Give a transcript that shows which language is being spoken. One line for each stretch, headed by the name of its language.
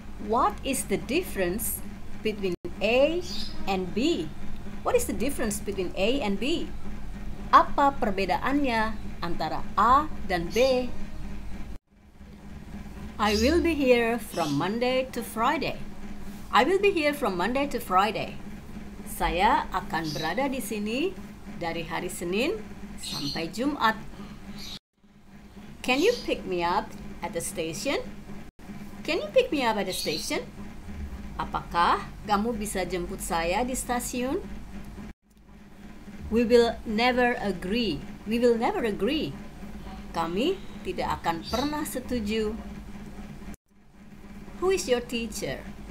English: What is the difference between A and B? What is the difference between A and B?
Indonesian: Apa perbedaannya antara A dan B?
English: I will be here from Monday to Friday. I will be here from Monday to Friday.
Indonesian: Saya akan berada di sini dari hari Senin sampai Jumat.
English: Can you pick me up at the station? Can you pick me up at the station?
Indonesian: Apakah kamu bisa jemput saya di stasiun?
English: We will never agree. We will never agree.
Indonesian: Kami tidak akan pernah setuju.
English: Who is your teacher?